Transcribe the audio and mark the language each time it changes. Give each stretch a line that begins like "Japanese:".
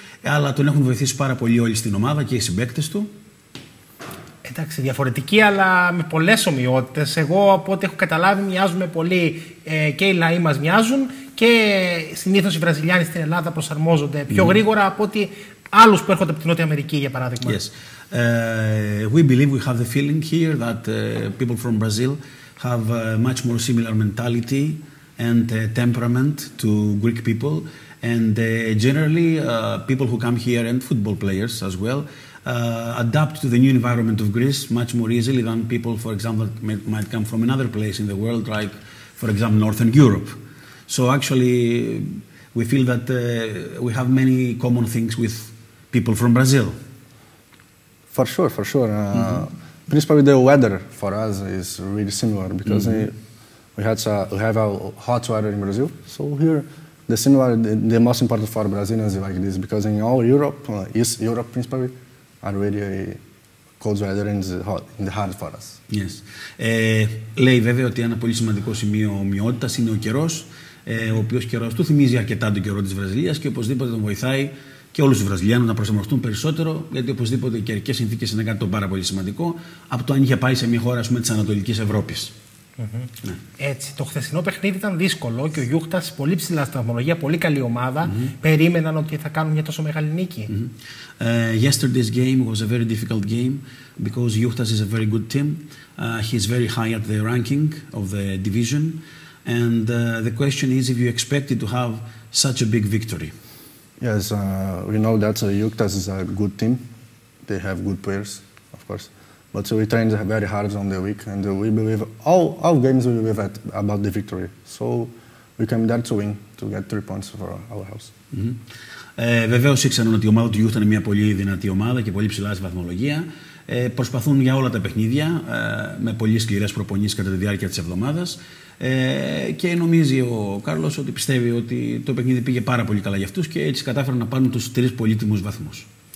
Greek: Αλλά τον έχουν βοηθήσει πάρα πολύ όλοι στην ομάδα και οι συμπαίκτες του. Εντάξει, διαφορετική, αλλά με πολλές ομοιότητες. Εγώ, από ό,τι έχω καταλάβει, μοιάζουμε πολύ και οι λαοί μας μοιάζουν και συνήθως οι Βραζιλιάνοι στην Ελλάδα προσαρμόζονται πιο γρήγορα από ό,τι άλλους που έρχονται από την Νότια Αμερική, για παράδειγμα.
English: Yes. We believe we have the feeling here that people from Brazil have a much more similar mentality and temperament to Greek people. And generally, people who come here and football players as well adapt to the new environment of Greece much more easily than people, for example, might come from another place in the world, like, for example, Northern Europe. So actually, we feel that we have many common things with people from Brazil. For sure, for sure. Mm-hmm. Principally, the weather for us is really similar because we have a hot weather in Brazil. So here, the most important for Brazilians is like this, because in all Europe, East Europe principally, are really cold weather and the hard for us. Yes.
Greek: Λέει βέβαια ότι ένα πολύ σημαντικό σημείο ομοιότητας είναι ο καιρός, ο οποίος καιρός του θυμίζει αρκετά τον καιρό της Βραζιλίας και οπωσδήποτε τον βοηθάει και όλους τους Βραζιλιάνους να προσαρμοστούν περισσότερο, γιατί οπωσδήποτε οι καιρικές συνθήκες είναι κάτι το πάρα πολύ σημαντικό από το αν είχε πάει σε μια χώρα, ας πούμε, της Ανατολικής Ευρώπης. Mm-hmm. Ναι. Έτσι, το χθεσινό παιχνίδι ήταν δύσκολο και ο Γιούχτας πολύ ψηλά στην βαθμολογία, πολύ καλή ομάδα. Mm-hmm. Περίμεναν ότι θα κάνουν μια τόσο μεγάλη νίκη. Mm-hmm.
English: Yesterday's game was a very difficult game because Γιούχτας is a very good team. He's very high at the ranking of the division. And the question is if you expected to have such a big victory. Yes, we know that Juktas is a good team. They have good players, of course. But we trained very hard on the week, and we believe all games will be about the victory. So we came there to win, to get 3 points for our house. Mm-hmm.
Greek: Βεβαίως ήξεραν ότι η ομάδα του Youth είναι μια πολύ δυνατή ομάδα και πολύ ψηλά στη βαθμολογία. Προσπαθούν για όλα τα παιχνίδια με πολύ σκληρές προπονήσεις κατά τη διάρκεια της εβδομάδας. Και νομίζει ο Κάρλος ότι πιστεύει ότι το παιχνίδι πήγε πάρα πολύ καλά για αυτούς και έτσι κατάφεραν να πάρουν τους 3 πολύτιμους βαθμούς.